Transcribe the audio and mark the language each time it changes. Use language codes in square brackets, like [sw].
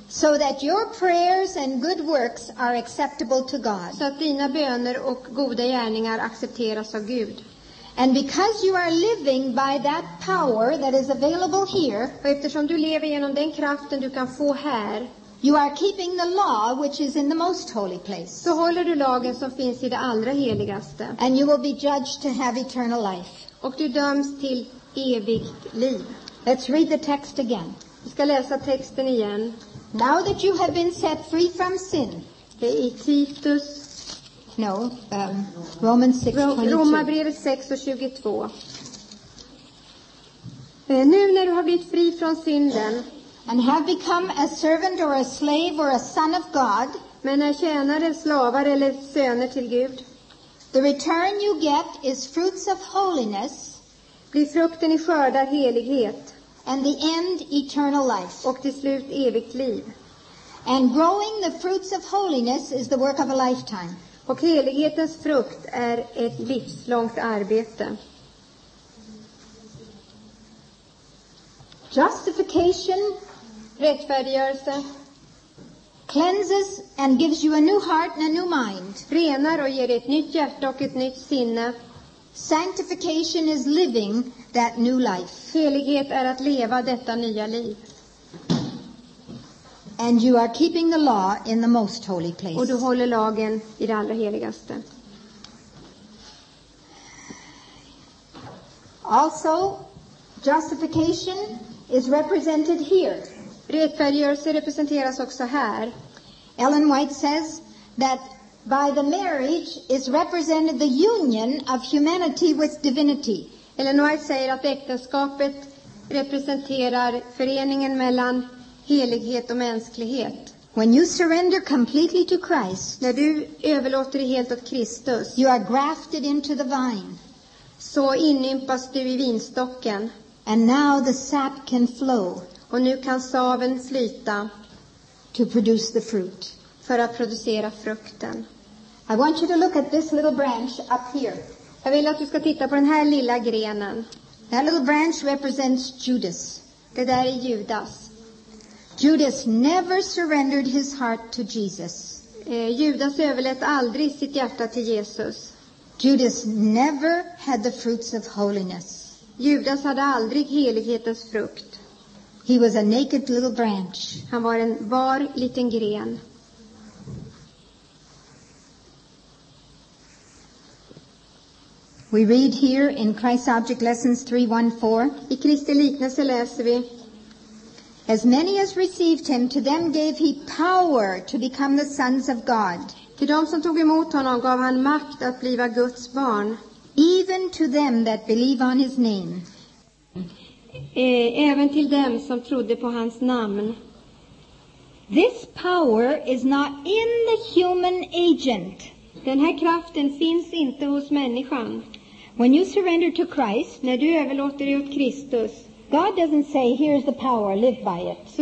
[en] so that your prayers and good works are acceptable to God. [sv] Så att dina böner och goda gärningar accepteras av Gud. [en] And because you are living by that power that is available here, [sv] och eftersom du lever genom den kraften du kan få här, [en] you are keeping the law which is in the most holy place. [sv] Så håller du lagen som finns i det allra heligaste. [en] And you will be judged to have eternal life. [sv] Och du döms till evigt liv. [en] Let's read the text again. [sv] Vi ska läsa texten igen. [en] Now that you have been set free from sin. [sv] Det är i Titus. [en] No, Romans 6, 22. [sv] Romarbrevet 6 och 22. Nu när du har blivit fri från synden. [en] And have become a servant or a slave or a son of God. [sv] Men är tjänare, slavar eller söner till Gud. [en] The return you get is fruits of holiness. [sv] Blir frukten i skördar helighet. [en] And the end, eternal life. [sv] Och till slut evigt liv. [en] And growing the fruits of holiness is the work of a lifetime. [sv] Och helighetens frukt är ett livslångt arbete. [en] Justification, [sv] rättfärdiggörelse, [en] cleanses and gives you a new heart and a new mind. [sv] Renar och ger ett nytt hjärta och ett nytt sinne. [en] Sanctification is living that new life. [sv] Helighet är att leva detta nya liv. [en] And you are keeping the law in the most holy place. [sv] Och du håller lagen i det allra heligaste. [en] Also, justification is represented here. [sv] Rättfärdiggörelse representeras också här. [en] Ellen White says that by the marriage is represented the union of humanity with divinity. [sv] Ellen White säger att äktenskapet representerar föreningen mellan helighet och mänsklighet. [en] When you surrender completely to Christ, [sv] när du överlåter dig helt åt Kristus, [en] you are grafted into the vine. [sv] Så inympas du i vinstocken. [en] And now the sap can flow. [sv] Och nu kan saven flyta. [en] To produce the fruit. [sv] För att producera frukten. [en] I want you to look at this little branch up here. [sv] Jag vill att du ska titta på den här lilla grenen. [en] That little branch represents Judas. [sv] Det där är Judas. [en] Judas never surrendered his heart to Jesus. [sv] Judas överlät aldrig sitt hjärta till Jesus. [en] Judas never had the fruits of holiness. [sv] Judas hade aldrig helighetens frukt. [en] He was a naked little branch. [sv] Han var en bar liten gren. [en] We read here in Christ Object Lessons 3:1-4. [sv] I Kristi liknelse läser vi. [en] As many as received him, to them gave he power to become the sons of God. [sv] Till dem som tog emot honom gav han makt att bliva Guds barn. [en] Even to them that believe on his name. [sv] Även till dem som trodde på hans namn. [en] This power is not in the human agent. [sv] Den här kraften finns inte hos människan. [en] When you surrender to Christ, [sv] när du överlåter dig åt Kristus, [en] God doesn't say, here's the power, live by it.